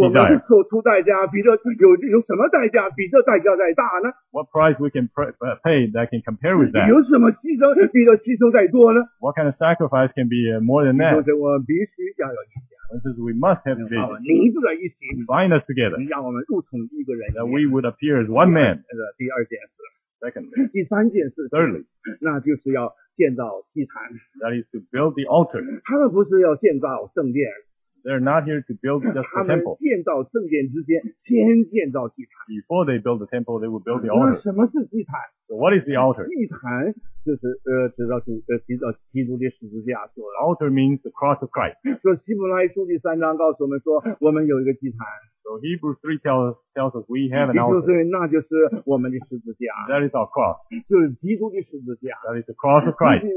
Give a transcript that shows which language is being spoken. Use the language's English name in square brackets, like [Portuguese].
[Chinese] 我们付出代价，比这有什么代价比这代价再大呢？ [English] What price we can pay that can compare with that? [Chinese] 有什么牺牲比这牺牲再多呢？ [English] What kind of sacrifice can be more than that? [Chinese] 我们必须要有 [English] 意见。We must have vision. [Chinese] 凝聚在一起。 [English] Bind us together. [Chinese] 让我们如同一个人。 [English] That we would appear as one man. [Chinese] 第二件事。 [English] Secondly. [Chinese] 第三件事。 [English] Thirdly. [Chinese] 那就是要建造祭坛。 [English] That is to build the altar. [Chinese] 他们不是要建造圣殿。 [English] They're not here to build just the temple. [Chinese] 他们建造圣殿之间，先建造祭坛。 [English] Before they build the temple, they would build the altar. [Chinese] 那什么是祭坛？ [English] So what is the altar? [Chinese] 祭坛就是指到基督的十字架。 [English] Altar means the cross of Christ. [Chinese] 说希伯来书第三章告诉我们说，我们有一个祭坛。 [English] So Hebrews 3 tells us we have an altar. [Chinese] 那就是我们的十字架。 [English] That is our cross. [Chinese] 就是基督的十字架。 [English] That is the cross of Christ.